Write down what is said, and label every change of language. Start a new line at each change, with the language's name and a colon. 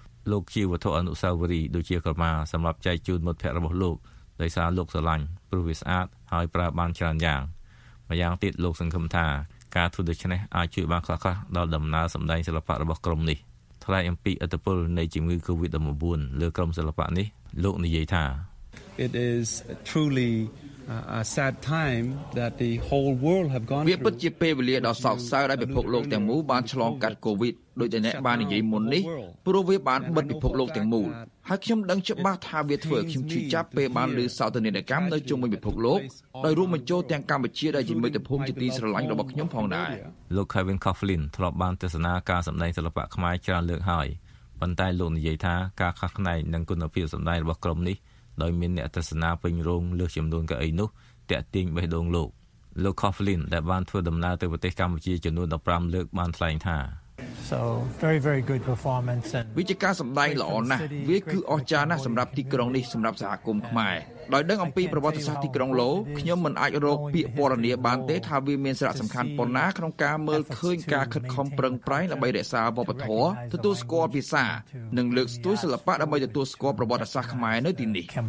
Khmer: លោកជាវត្ថុអនុស្សាវរីយ៍ដូចជាក្រមាសម្រាប់ចែកជូនមិត្តភ័ក្តិរបស់លោកដោយសារលោកស្រឡាញ់ព្រោះវាស្អាតហើយប្រើបានច្រើនយ៉ាងម្យ៉ាងទៀតលោកសង្ឃឹមថាការធ្វើដូច្នេះអាចជួយបានខ្លះៗដល់ដំណើរសម្ដែងសិល្បៈរបស់ក្រុមនេះថ្លែងអំពីឥទ្ធិពលនៃជំងឺ COVID-19 លើក្រុមសិល្បៈនេះលោកនិយាយថា
English: It is truly a sad time that the whole world have gone through
Khmer: វាពិតជាពេលវេលាដ៏សោកសៅដែលពិភពលោកទាំងមូលបានឆ្លងកាត់ COVID ដូចតែអ្នកបាននិយាយមុននេះព្រោះវាបានបិទពិភពលោកទាំងមូលហើយខ្ញុំដឹងច្បាស់ថាវាធ្វើឲ្យខ្ញុំឈឺចាប់ពេលបានឮសោតនានកម្មនៅជុំវិញពិភពលោកដោយរួមបញ្ចូលទាំងកម្ពុជាដែលជាមិត្តភូមិជាទីស្រឡាញ់របស់ខ្ញុំផងដែរ លោក Kevin Coughlin ធ្លាប់បានទស្សនាការសម្ដែងសិល្បៈខ្មែរច្រើនលើកហើយប៉ុន្តែលោកនិយាយថាការខកខាននិងគុណភាពសម្ដែងរបស់ក្រុមនេះដោយមានអ្នកទស្សនាពេញរោងលើសចំនួនកៅអីនោះតាក់ទាញបេះដូងលោកលោក Coughlin ដែលបានធ្វើដំណើរទៅប្រទេសកម្ពុជាចំនួន15លើកបានថ្លែងថា
English: So very very good performance and
Khmer: វិជ្ជការសម្ដែងល្អណាស់វាគឺអស្ចារ្យណាស់សម្រាប់ទីក្រុងនេះសម្រាប់សហគមន៍ខ្មែរដោយដឹងអំពីប្រវត្តិសាស្ត្រទីក្រុងឡូខ្ញុំមិនអាចរកពាក្យពណ៌នាបានទេថាវាមានសារៈសំខាន់ប៉ុណ្ណាក្នុងការមើលឃើញការខិតខំប្រឹងប្រែងដើម្បីរក្សាវប្បធម៌ទទួលស្គាល់ភាសានិងលើកស្ទួយសិល្បៈដើម្បីទទួលស្គាល់ប្រវត្តិសាស្ត្រខ្មែរនៅទីនេះ